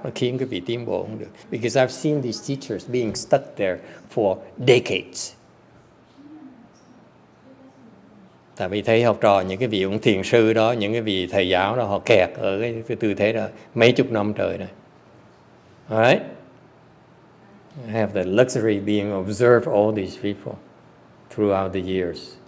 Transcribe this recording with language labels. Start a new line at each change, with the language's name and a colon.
English: Because I've seen these teachers being stuck there for decades.
Vietnamese: Tại vì thấy học trò những cái vị ông thiền sư đó, những cái vị thầy giáo đó, họ kẹt ở cái tư thế đó mấy chục năm trời này.
English: All right? I have the luxury being observed all these people throughout the years.